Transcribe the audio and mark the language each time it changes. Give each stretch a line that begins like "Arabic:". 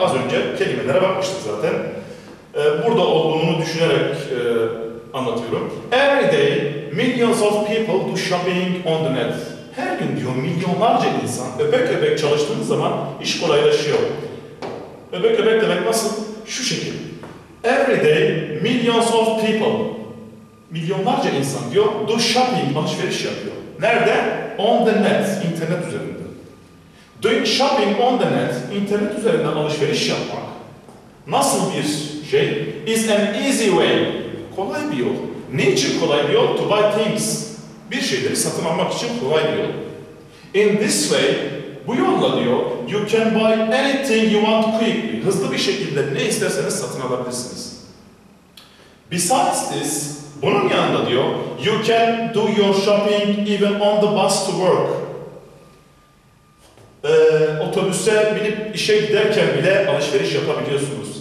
Turkish: Az önce kelimelere bakmıştık zaten. Burada olduğunu düşünerek anlatıyorum.
English: Every day millions of people do shopping on the net.
Turkish: Her gün diyor milyonlarca insan öbek öbek çalıştığınız zaman iş kolaylaşıyor. Öbek öbek demek nasıl? Şu şekilde.
English: Every day millions of people,
Turkish: milyonlarca insan diyor
English: do shopping,
Turkish: alışveriş yapıyor. Nerede?
English: On the net,
Turkish: internet üzerinde.
English: Doing shopping on the net,
Turkish: internet üzerinden alışveriş yapmak nasıl bir şey?
English: Is an easy way,
Turkish: kolay bir yol. Niçin kolay bir yol?
English: To buy things.
Turkish: Bir şeyleri satın almak için kolay diyor.
English: In this way,
Turkish: bu yolla diyor,
English: you can buy anything you want quickly.
Turkish: Hızlı bir şekilde ne isterseniz satın alabilirsiniz.
English: Besides this,
Turkish: bunun yanında diyor,
English: you can do your shopping even on the bus to work.
Turkish: Otobüse binip işe giderken bile alışveriş yapabiliyorsunuz.